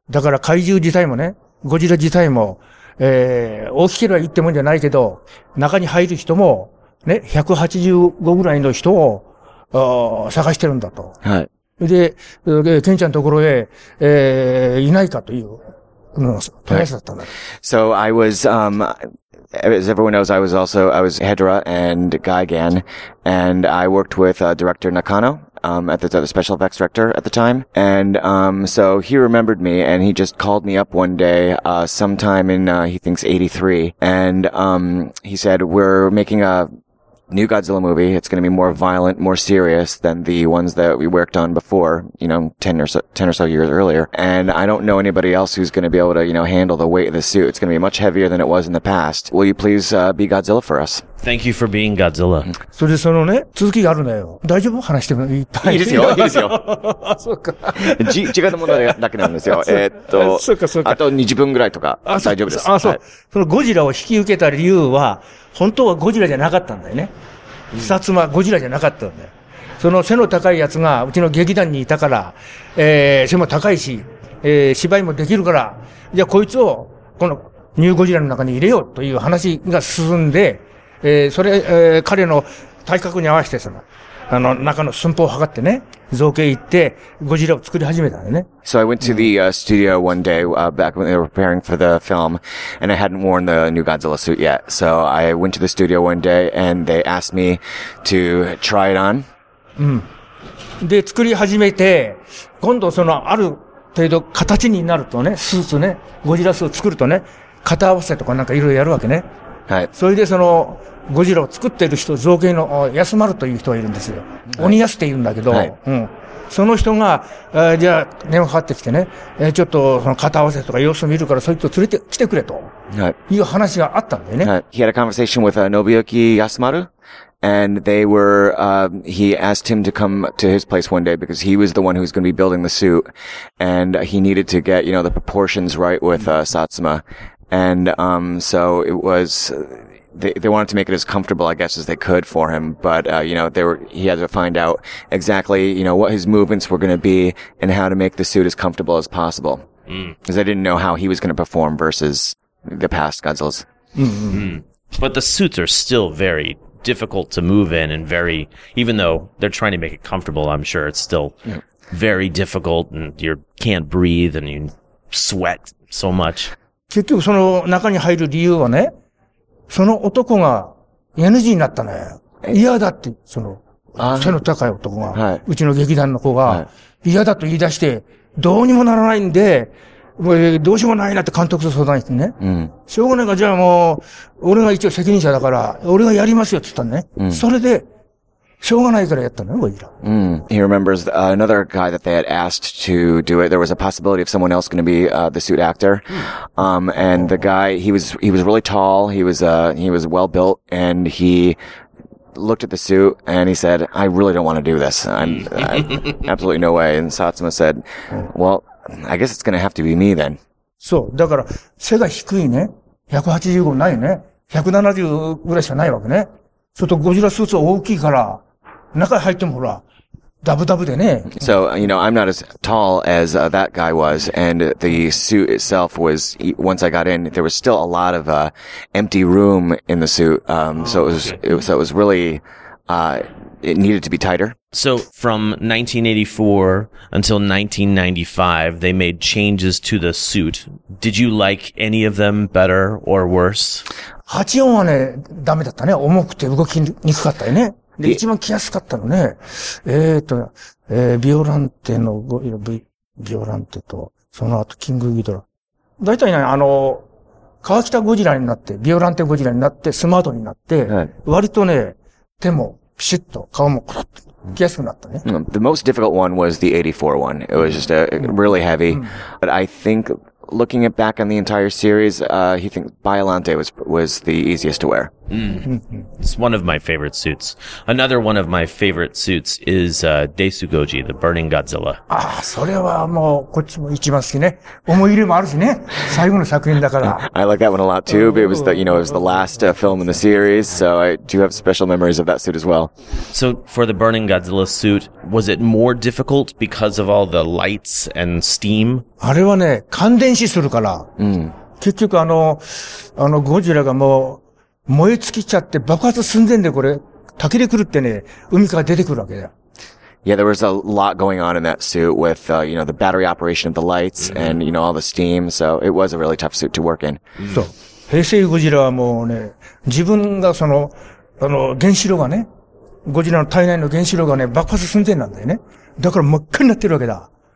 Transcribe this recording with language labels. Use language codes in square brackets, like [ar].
[ja] だから怪獣自体もね、ゴジラ自体も、大きければいいってもんじゃないけど、中に入る人も、ね、185ぐらいの人を、探してるんだと。はい、で、ケンちゃんのところへ、いないかという、問い合わせだったんだ。 [en] So I was, As everyone knows, I was Hedera and Gigan, and I worked with, director Nakano, at the special effects director at the time. And, so he remembered me, and he just called me up one day, sometime in, he thinks 83. And, he said, we're making a new Godzilla movie. It's going to be more violent, more serious than the ones that we worked on before, you know, 10 or so years earlier. And I don't know anybody else who's going to be able to, you know, handle the weight of the suit. It's going to be much heavier than it was in the past. Will you please, be Godzilla for us? Thank you for being Godzilla. [ja] それでそのね、続きがあるんだよ。大丈夫話してもいい？いいですよ、いいですよ。そうか。違うものだけなんですよ。そうか、そうか。あと20分ぐらいとか。大丈夫です。あ、そう。そのゴジラを引き受けた理由は、本当はゴジラじゃなかったんだよね。薩摩ゴジラじゃなかったんだよ。その背の高いやつが、うちの劇団にいたから、背も高いし、芝居もできるから、じゃあこいつを、このニューゴジラの中に入れようという話が進んで、それ、彼の体格に合わせてその、中の寸法を測ってね、造形行って、ゴジラを作り始めたんだよね。 [en] So I went to the, studio one day, back when they were preparing for the film, and I hadn't worn the new Godzilla suit yet. So I went to the studio one day, and they asked me to try it on. [ja] うん。で、作り始めて、今度その、ある程度形になるとね、スーツね、ゴジラスーツを作るとね、肩合わせとかなんかいろいろやるわけね。はい。それでその、ゴジラを作ってる人、造形の安丸という人がいるんですよ。はい、鬼安って言うんだけど、はい、うん。その人が、じゃあ、電話かかってきてね、ちょっと、その、肩合わせとか様子を見るから、そういう人連れて来てくれと。はい。いう話があったんだよね。はい。 [en] He had a conversation with, Nobuyuki Yasumaru, and they were, he asked him to come to his place one day because he was the one who was going to be building the suit, and he needed to get, you know, the proportions right with, Satsuma. And, so it was,They wanted to make it as comfortable, I guess, as they could for him. But, you know, he had to find out exactly, you know, what his movements were going to be and how to make the suit as comfortable as possible. Because they didn't know how he was going to perform versus the past Godzillas. Mm-hmm. Mm. But the suits are still very difficult to move in and very, even though they're trying to make it comfortable, I'm sure it's still very difficult and you can't breathe and you sweat so much. [ja] 結局その中に入る理由はね、その男が NG になったね。嫌だって、その、背の高い男が、はい、うちの劇団の子が、嫌だと言い出して、どうにもならないんで、もうどうしようもないなって監督と相談してね。うん、しょうがないから、じゃあもう、俺が一応責任者だから、俺がやりますよって言ったね。うん、それで、しょうがないからやったのよ、ゴジラ。うん。 [en] He remembers another guy that they had asked to do it. There was a possibility of someone else going to be the suit actor. And the guy, he was really tall. He was well built, and he looked at the suit and he said, "I really don't want to do this. I'm absolutely no way." And Satsuma said, "Well, I guess it's going to have to be me then." [ja] そう。だから背が低いね。185ないね。 170ぐらいしかないわけね。ちょっとゴジラスーツは大きいから、中に入ってもほら、ダブダブでね。 [en] So, you know, I'm not as tall as that guy was, and the suit itself was, once I got in, there was still a lot of empty room in the suit, it needed to be tighter. So, from 1984 until 1995, they made changes to the suit. Did you like any of them better or worse? [ja] 84はね、ダメだったね。重くて動きにくかったよね。で、一番着やすかったのね。ビオランテの、ビオランテと、その後、キングギドラ。だいたいね、川北ゴジラになって、ビオランテゴジラになって、スマートになって、はい、割とね、手もピシッと、顔もコロッと着やすくなったね。 [en] Mm-hmm. The most difficult one was the 84 one. It was just really heavy.、Mm-hmm. But I think,looking at back on the entire series, he thinks Biollante was the easiest to wear. Mm. It's one of my favorite suits. Another one of my favorite suits is, Desu Goji, the Burning Godzilla. [ja] Ah, それはもう、こっちも一番好きね。思い入れもあるしね。最後の作品だから。 [en] I like that one a lot too, but it was the last film in the series, so I do have special memories of that suit as well. So, for the Burning Godzilla suit, was it more difficult because of all the lights and steam? [ja] あれはね、感電死するから。うん、結局あの、ゴジラがもう、燃え尽きちゃって爆発寸前でこれ、滝で来るってね、海から出てくるわけだよ。 [en] Yeah, there was a lot going on in that suit with, you know, the battery operation of the lights、うん、and, you know, all the steam, so it was a really tough suit to work in. [ja] そう。平成ゴジラはもうね、自分がその、原子炉がね、ゴジラの体内の原子炉がね、爆発寸前なんだよね。だから真っ赤になってるわけだ。